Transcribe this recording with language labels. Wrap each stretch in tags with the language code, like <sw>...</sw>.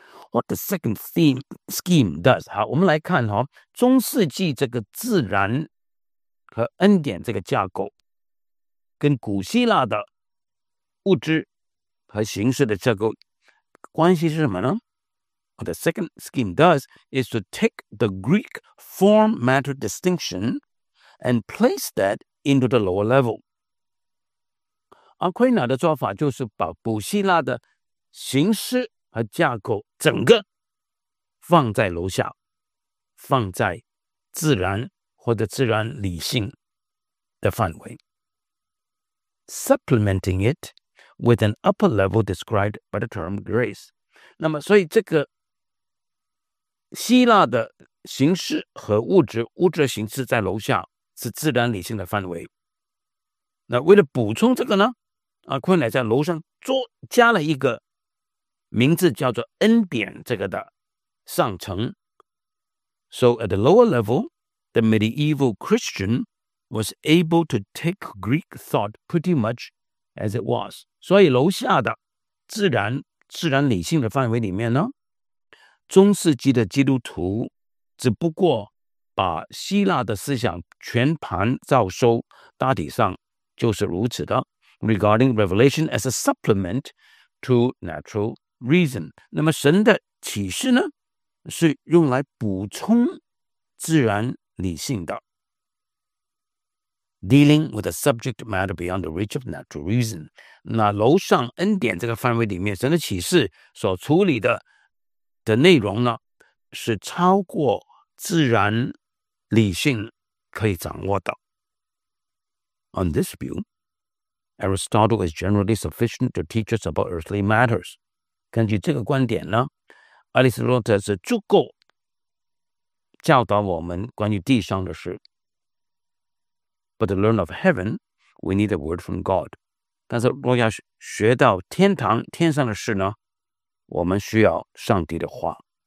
<en>What the second theme scheme does?</en> <zh>好，我们来看、中世纪这个自然和恩典这个架构，跟古希腊的物质和形式的架构关系是什么呢？</zh> <en>What the second scheme does is to take the Greek form-matter distinction and place that into the lower level.</en> <zh>阿奎那的做法就是把古希腊的形式和架构整个放在楼下，放在自然或者自然理性的范围。</zh> <en>Supplementing it with an upper level described by the term grace.</en> <zh>那么所以这个希腊的形式和物质，物质形式在楼下是自然理性的范围。那为了补充这个呢，昆莱在楼上加了一个名字叫做恩典这个的上层。</zh> <en>So at the lower level, the medieval Christian was able to take Greek thought pretty much as it was.</en> <zh>所以楼下的自然理性的范围里面呢，中世纪的基督徒只不过把希腊的思想全盘照收，大体上就是如此的。</zh> <en>Regarding revelation as a supplement to natural reason.</en> <zh>那么神的启示呢，是用来补充自然理性的。</zh> <en>Dealing with a subject matter beyond the reach of natural reason.</en> <zh>那楼上恩典这个范围里面，神的启示所处理的内容呢，是超过自然理性可以掌握的。</zh> <en>On this view, Aristotle is generally sufficient to teach us about earthly matters.</en> <zh>根据这个观点呢，亚里士多德是足够教导我们关于地上的事。</zh> <en>But to learn of heaven, we need a word from God.</en> <zh>但是若要学到天堂天上的事呢，我们需要上帝的话。</zh>